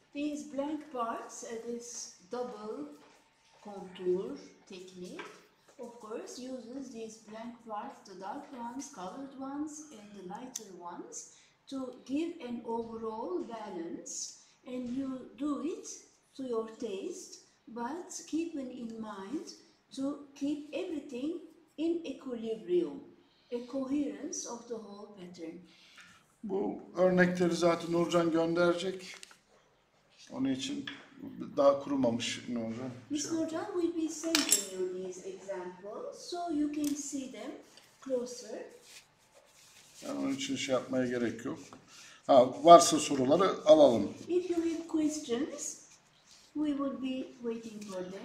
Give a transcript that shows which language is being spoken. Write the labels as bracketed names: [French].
[English] these blank parts this double contour technique of course uses these blank parts the dark ones colored ones and the lighter ones to give an overall balance and you do it to your taste but keeping in mind to keep everything in equilibrium, a coherence of the whole pattern. [Turkish] Bu örnekleri zaten Nurcan gönderecek. Onun için daha kurumamış Nurcan. [English] Miss Nurcan will be sending you these examples so you can see them closer. [Turkish] Yani onun için şey yapmaya gerek yok. Ha, varsa soruları alalım. [English] If you have questions, we will be waiting for them.